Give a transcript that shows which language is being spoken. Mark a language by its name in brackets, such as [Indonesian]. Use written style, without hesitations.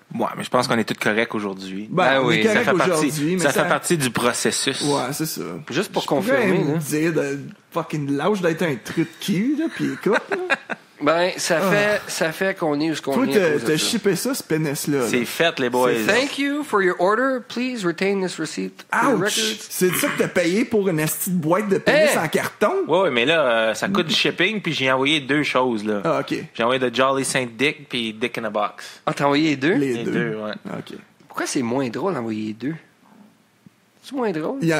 [French] Ouais, mais je pense qu'on est tous corrects aujourd'hui. Ben oui, ça fait aujourd'hui, partie. Mais ça fait partie du processus. Ouais, c'est ça. Juste pour confirmer. Je pourrais me dire de fucking lâche d'être un truc de cul, là, puis écoute, là. Ben, ça fait, ça fait qu'on est où ce qu'on est. Toi, t'as shippé ça, ce pénis-là. C'est fait, les boys. C'est... [English] Thank you for your order. Please retain this receipt. Ouch! [French] C'est ça que t'as payé pour une petite boîte de pénis en carton? Ouais, mais là, ça coûte du shipping, puis j'ai envoyé deux choses, là. Ah, OK. J'ai envoyé de Jolly Saint Dick, puis Dick in a Box. Ah, t'as envoyé deux? Les deux, ouais. OK. Pourquoi c'est moins drôle d'envoyer deux? C'est moins drôle?